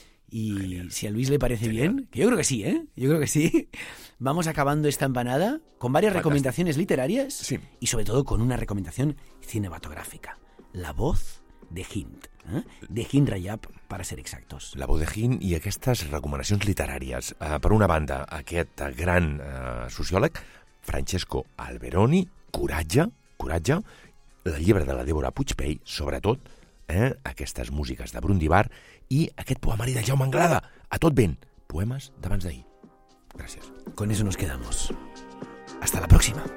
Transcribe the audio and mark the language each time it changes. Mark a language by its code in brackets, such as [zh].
[es] Y genial. Si a Luis le parece genial. Bien, que yo creo que sí, vamos acabando esta empanada con varias recomendaciones literarias, sí. Y sobre todo con una recomendación cinematográfica. La voz de Hind, de Hind Rajab, para ser exactos. [ca] La voz de Hind i aquestes recomanacions literàries. Per una banda, aquest gran sociòleg, Francesco Alberoni, Coratge, el llibre de la Débora Puigpey, sobretot, aquestes músiques de Brundibar, i aquest poemari de Jaume Anglada, A tot vent, poemes d'abans d'ahir. Gràcies. [es] Con eso nos quedamos. Hasta la próxima.